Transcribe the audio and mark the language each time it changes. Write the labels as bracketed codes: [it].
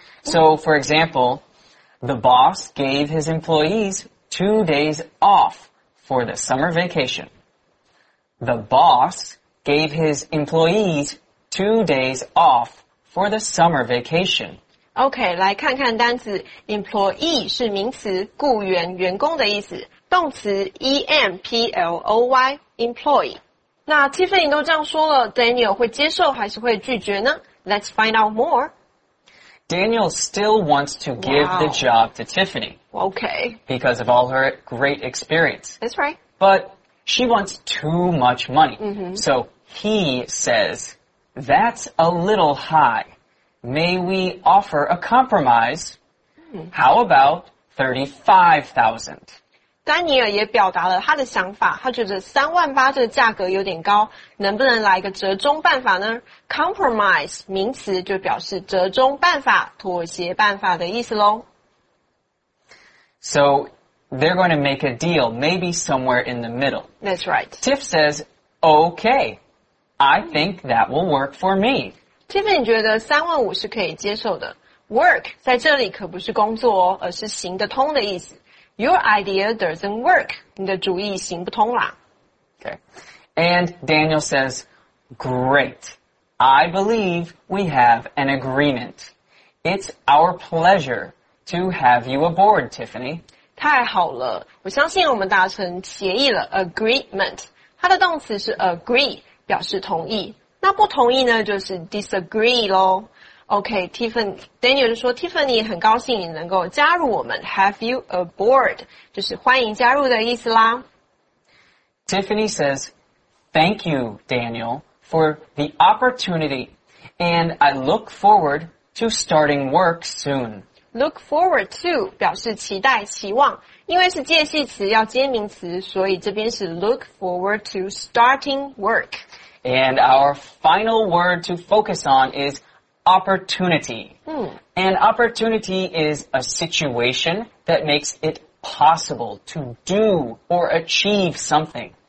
[en] So, for example, the boss gave his employees 2 days off for the summer vacation. The boss gave his employees 2 days off for the summer vacation. [zh] OK, 来看看单词 employee 是名词，雇员、员工的意思。动词 employ, employ。那 Tiffany 都这样说了， Daniel 会接受还是会拒绝呢？ [en] Let's find out more. Daniel still wants to give the job to Tiffany. OK. Because of all her great experience. That's right. But she wants too much money. Mm-hmm. So he says, that's a little high. May we offer a compromise? How about $35,000? [zh] Daniel 也表达了他的想法，他觉得38,000这个价格有点高，能不能来个折中办法呢？ Compromise 名词就表示折中办法、妥协办法的意思咯。 [en] So they're going to make a deal, maybe somewhere in the middle. That's right. Tiff says, okay, I think that will work for me. [zh] Tiffany 觉得35,000是可以接受的。Work 在这里可不是工作哦，而是行得通的意思。 [en] Your idea doesn't work. [zh] 你的主意行不通啦。 [en] Okay. And Daniel says, great. I believe we have an agreement. It's our pleasure to have you aboard, Tiffany. [zh] 太好了，我相信我们达成协议了。 [en] Agreement. [zh] 它的动词是 agree, 表示同意。那不同意呢就是 disagree 咯。 OK,Daniel 就说 Tiffany 很高兴你能够加入我们 [en] Have you aboard [zh] 就是欢迎加入的意思啦。 [en] Tiffany says, Thank you, Daniel, for the opportunity and I look forward to starting work soon. [zh] Look forward to 表示期待期望，因为是介系词要接名词，所以这边是 [en] look forward to starting work。 And our final word to focus on is opportunity. An opportunity is a situation that makes it possible to do or achieve something.